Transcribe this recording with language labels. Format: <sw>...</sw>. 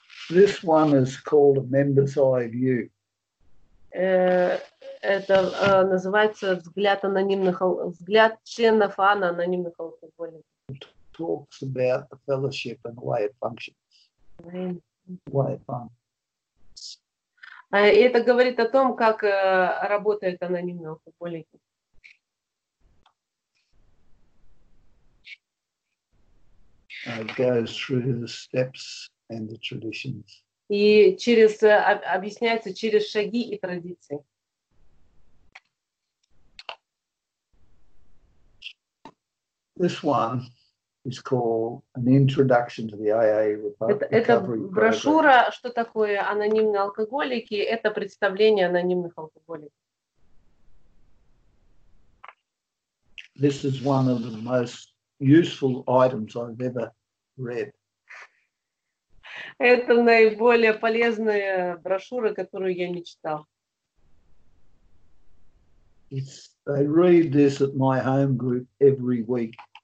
<en>This one is called a member's eye view.</en> <ru>Это называется взгляд анонимных, взгляд членов АНА анонимных алкоголиков.</ru> <en>It talks about the fellowship and the way it functions. Way it functions.</en> <ru>И это говорит о том, как работает анонимный алкоголик.</ru> <en>Goes through the steps and the traditions.</en> <ru>И через объясняется через шаги и традиции.</ru> <en>This one is called an introduction to the AA recovery.</en> <ru>Это брошюра, что такое анонимные алкоголики? Это представление анонимных алкоголиков.</ru> <en>This is one of the most useful items I've ever. Red.</en> <ru>Это наиболее полезная брошюра, которую я не читал.</ru> <en>It's, I read this at my home group every week.</en>